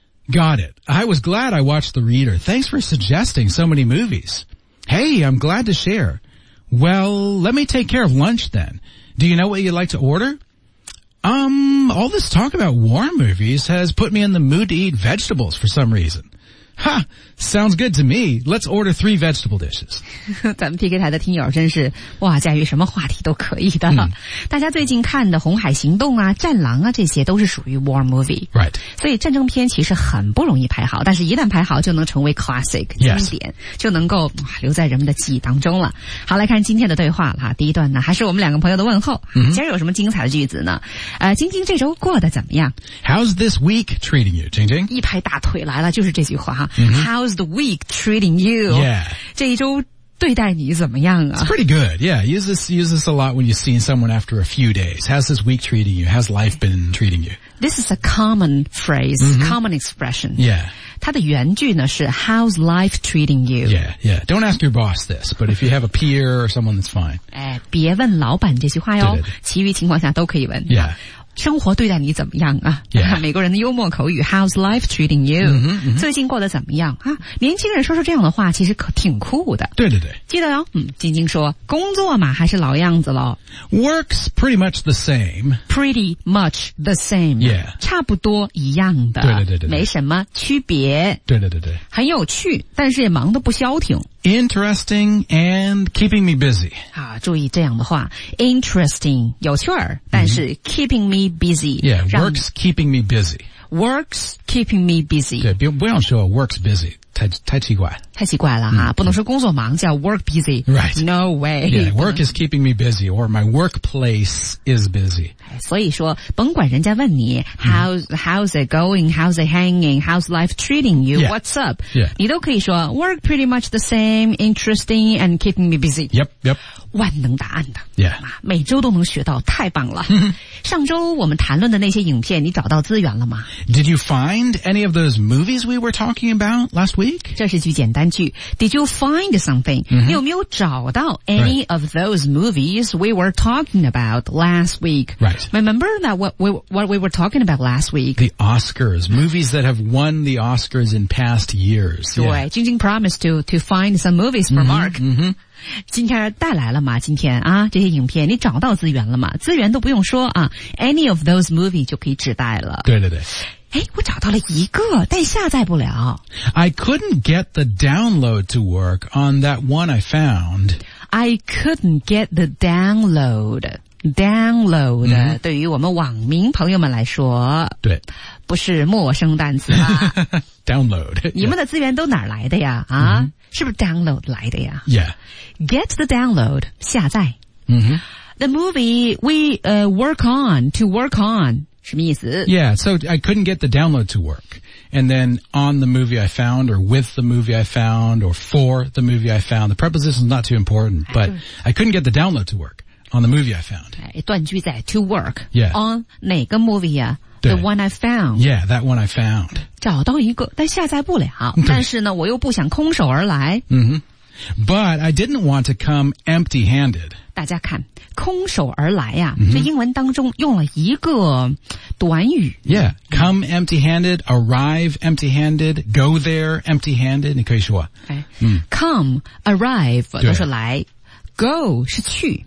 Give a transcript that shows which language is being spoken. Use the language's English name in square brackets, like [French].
[English] Got it. I was glad I watched The Reader. Thanks for suggesting so many movies. Hey, I'm glad to share. Well, let me take care of lunch then. Do you know what you'd like to order? All this talk about war movies has put me in the mood to eat vegetables for some reason. Ha! Sounds good to me. Let's order 3 vegetable dishes. [Chinese] 咱们 PK 台的听友真是哇，驾驭什么话题都可以的。大家最近看的《红海行动》啊，《战狼》啊，这些都是属于 war movie。 [English] Right. [Chinese] 所以战争片其实很不容易拍好，但是一旦拍好，就能成为 classic 经典， [English] yes. [Chinese] 就能够留在人们的记忆当中了。好，来看今天的对话哈。第一段呢，还是我们两个朋友的问候。今儿有什么精彩的句子呢？晶晶这周过得怎么样 [English] ？How's this week treating you, 晶晶？ [Chinese] 一拍大腿来了，就是这句话哈。 [English] How's the week treating you? Yeah. [Chinese] 这一周对待你怎么样啊? [English] It's pretty good. Yeah. Use this a lot when you see someone after a few days. How's this week treating you? How's life been treating you? This is a common phrase, common expression. Yeah. [Chinese] 它的原句呢是 [English] How's life treating you? Yeah, yeah. Don't ask your boss this, but if you have a peer or someone, that's fine. [Chinese] 哎，别问老板这句话哟，其余情况下都可以问。 [English] Yeah. [Chinese] 生活对待你怎么样啊、 [English] yeah. [Chinese] 美国人的幽默口语 [English] How's life treating you? [Chinese] 最近过得怎么样啊？年轻人说出这样的话其实可挺酷的对对对记得哦晶晶说工作嘛还是老样子咯 [English] Works pretty much the same Pretty much the same、 yeah. [Chinese] 差不多一样的对对对对没什么区别对对对对很有趣但是也忙得不消停 [English] Interesting and keeping me busy [Chinese] 啊，注意这样的话 Interesting 有趣儿但是 [English] keeping meBusy. Yeah, works keeping me busy. Works keeping me busy. [Chinese] 对，不用说 [English] works busy， [Chinese] 太奇怪。太奇怪了哈，不能说工作忙叫 [English] work busy. Right. No way. Yeah, work is keeping me busy, or my workplace is busy. [Chinese] 所以说，甭管人家问你 [English] how's it going, how's it hanging, how's life treating you,、 yeah. what's up,、 yeah. [Chinese] 你都可以说 [English] work pretty much the same, interesting and keeping me busy. Yep, yep. [Chinese] 万能答案的、 [English] yeah. [Chinese] 每周都能学到太棒了上周我们谈论的那些影片你找到资源了吗 [English] Did you find any of those movies we were talking about last week? [Chinese] 这是句简单句 [English] Did you find something?、 Mm-hmm. [Chinese] 你有没有找到 any、 [English] right. of those movies we were talking about last week?、 Right. Remember that what we were talking about last week? The Oscars, movies that have won the Oscars in past years. 对，晶晶 promised to find some movies for Mark.、 Mm-hmm. [Chinese] 今天带来了吗今天啊这些影片你找到资源了吗资源都不用说啊 [English] any of those movies [Chinese] 就可以指代了对对对诶我找到了一个但下载不了 [English] I couldn't get the download to work on that one I found I couldn't get the download、mm-hmm. [Chinese] 对于我们网民朋友们来说对不是陌生单词吧 [English] download [Chinese] 你们的资源都哪来的呀啊、mm-hmm. 是不是 download 来的呀 [English] Yeah. Get the download, 下载。 Mm-hmm. The movie we work on, to work on, [Chinese] 什么意思? [English] Yeah, so I couldn't get the download to work. And then on the movie I found, or with the movie I found, or for the movie I found, the preposition is not too important, but I couldn't get the download to work on the movie I found. [Chinese] 断句在 to work. [English] Yeah. On 哪个 movie 啊?The one I found. Yeah, that one I found. [Chinese] 找到一个,但下载不了。但是呢,我又不想空手而来。 [English] Mm-hmm. But I didn't want to come empty-handed. [Chinese] 大家看,空手而来啊,这英文当中用了一个短语。 [English] Yeah, come empty-handed, arrive empty-handed, go there empty-handed, [Chinese] 你可以说。 [English] Okay. Come, arrive, 都是来。Go, 是去。